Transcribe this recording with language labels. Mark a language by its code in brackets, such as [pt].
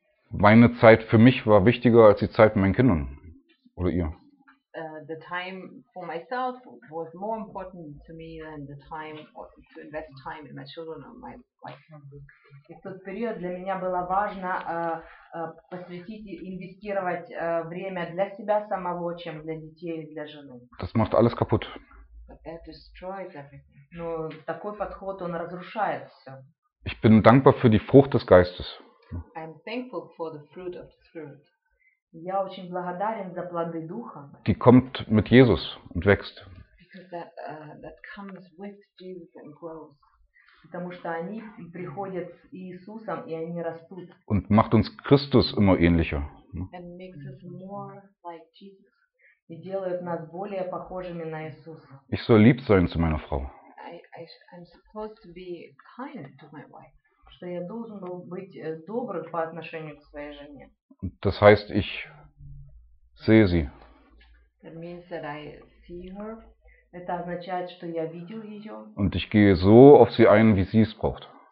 [de] Meine Zeit für mich war wichtiger als die Zeit mit meinen Kindern oder ihr. [en] The time for myself was more important to me than the time to invest time in my children or my wife. [ru] И в тот период для меня было важно посвятить, инвестировать время для себя самого, чем для детей и для жены. [de] Das macht alles kaputt. [en] But that destroys everything. [ru] Но такой подход, он разрушает все. [de] Ich bin dankbar für die Frucht des Geistes. [en] I'm thankful for the fruit of the Spirit. [ru] Я очень благодарен за плоды Духа. [de] Die kommt mit Jesus und wächst. [en] Because that comes with Jesus and grows. [ru] Потому что они приходят с Иисусом, и они растут. [de] Und macht uns Christus immer ähnlicher. [en] And makes us more like Jesus. [ru] И делают нас более похожими на Иисуса. [de] Ich soll lieb sein zu meiner Frau. [en] I'm supposed to be kind to my wife. [ru] Что я должен был быть добрым по отношению к своей жене. [de] Das heißt, ich sehe sie. [en] That means that I see her. [ru] Это означает, что я видел ее. [de] Und ich gehe so auf sie ein, wie sie es braucht.